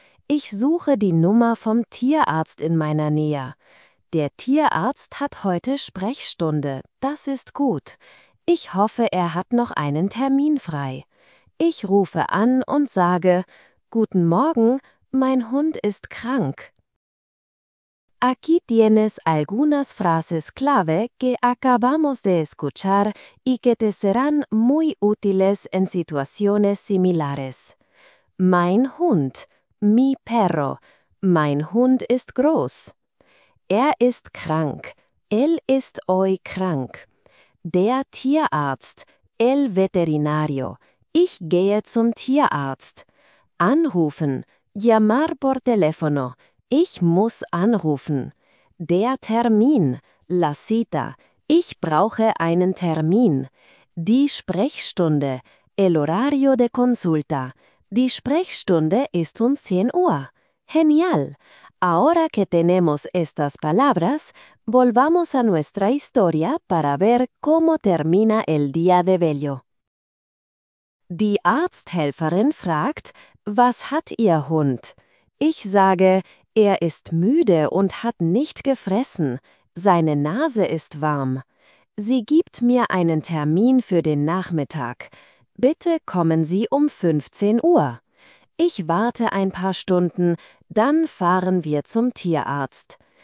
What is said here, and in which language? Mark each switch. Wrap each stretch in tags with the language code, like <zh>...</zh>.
<de>Ich suche die Nummer vom Tierarzt in meiner Nähe. Der Tierarzt hat heute Sprechstunde, das ist gut. Ich hoffe, er hat noch einen Termin frei. Ich rufe an und sage, guten Morgen, mein Hund ist krank.</de> <es>Aquí tienes algunas frases clave que acabamos de escuchar y que te serán muy útiles en situaciones similares.</es> <de>Mein Hund.</de> <es>Mi perro.</es> <de>Mein Hund ist groß. Er ist krank.</de> <es>Él</es> <de>ist</de> <es>hoy</es> <de>krank. Der Tierarzt.</de> <es>El veterinario.</es> <de>Ich gehe zum Tierarzt. Anrufen.</de> <es>Llamar por teléfono.</es> <de>Ich muss anrufen. Der Termin.</de> <es>La cita.</es> <de>Ich brauche einen Termin. Die Sprechstunde.</de> <es>El horario de consulta.</es> <de>Die Sprechstunde ist um 10 Uhr.</de> <es>Genial. Ahora que tenemos estas palabras, volvamos a nuestra historia para ver cómo termina el día de Bello.</es> <de>Die Arzthelferin fragt, was hat ihr Hund? Ich sage, er ist müde und hat nicht gefressen. Seine Nase ist warm. Sie gibt mir einen Termin für den Nachmittag. Bitte kommen Sie um 15 Uhr. Ich warte ein paar Stunden, dann fahren wir zum Tierarzt.</de>